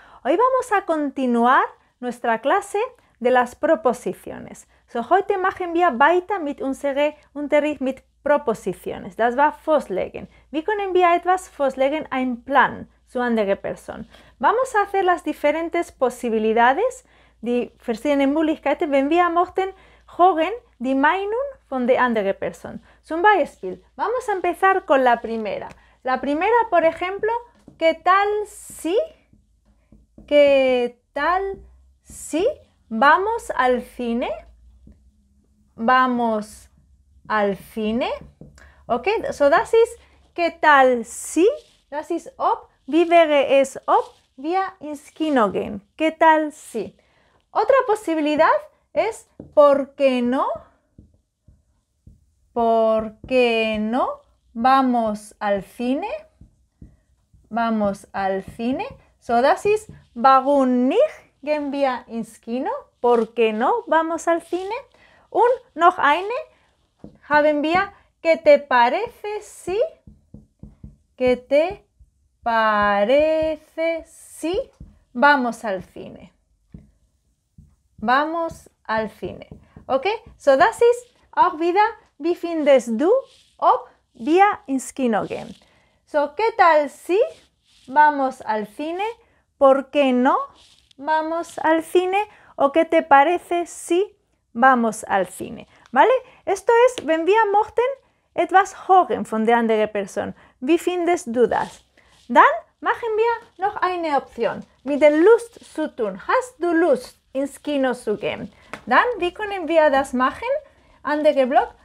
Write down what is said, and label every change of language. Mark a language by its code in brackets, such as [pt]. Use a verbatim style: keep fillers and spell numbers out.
[es] Hoy vamos a continuar nuestra clase de las proposiciones. [de] So, heute machen wir weiter mit unserem Unterricht mit Propositionen. Das war Vorschlägen. Wie können wir etwas vorschlagen, ein Plan zu andere Person? [es] Vamos a hacer las diferentes posibilidades, [de] die verschiedenen Möglichkeiten, wenn wir möchten, hören die Meinung von der anderen Person. Zum Beispiel, [es] vamos a empezar con la primera. La primera, por ejemplo, ¿qué tal si? ¿Qué tal si vamos al cine? Vamos al cine. [de] Okay, so das ist [es] ¿qué tal si? [de] Das ist ob, wie wäre es ob wir ins Kino gehen. [es] ¿Qué tal si? Otra posibilidad es ¿por qué no? ¿Por qué no? Vamos al cine. Vamos al cine. [de] So, das ist, warum nicht gehen wir ins Kino? [es] ¿Por qué no? Vamos al cine. [de] Und noch eine haben wir, [es] ¿qué te parece si? ¿Qué te parece si? Vamos al cine. Vamos al cine. Okay? [de] So, das ist auch wieder, wie findest du, ob wir ins Kino gehen? [es] So, ¿qué tal si vamos al cine? ¿Por qué no vamos al cine? ¿O qué te parece si vamos al cine? ¿Vale? Esto es, [de] wenn wir möchten etwas hören von der anderen Person. Wie findest du das? Dann machen wir noch eine Option mit der Lust zu tun. Hast du Lust, ins Kino zu gehen? Dann, wie können wir das machen? Andere Block.